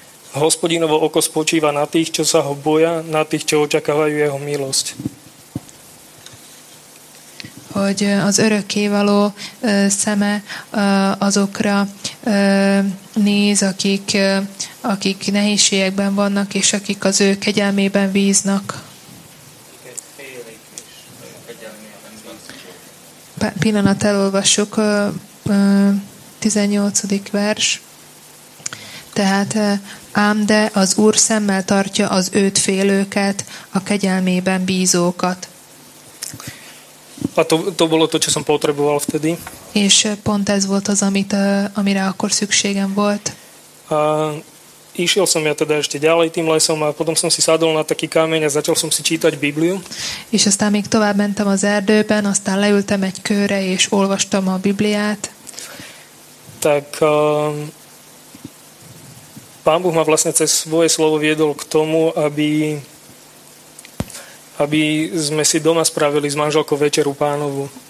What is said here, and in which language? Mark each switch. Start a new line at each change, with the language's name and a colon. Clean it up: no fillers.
Slovak: Hospodinovo oko spočíva na tých, čo sa ho boja, na tých, čo očakávajú jeho milosť.
Hungarian: Hogy az örökkévaló szeme azokra néz, akik nehézségekben vannak, és akik az ő kegyelmében bíznak. Pillanat, elolvassuk 18. vers. Tehát ám de az Úr szemmel tartja az őt félőket, a kegyelmében bízókat.
Slovak: A to bolo to, čo som potreboval vtedy.
Hungarian: És pont ez volt az, amire akkor szükségem volt.
Slovak: A išiel som ja teda ešte ďalej tým lesom a potom som si sadol na taký kameň a začal som si čítať Bibliu.
Hungarian: És aztán még tovább mentem az erdőben, aztán leültem egy kőre és olvastam a Bibliát.
Slovak: Tak Pán Boh ma vlastne cez svoje slovo viedol k tomu, aby sme si doma spravili s manželkou večeru Pánovu.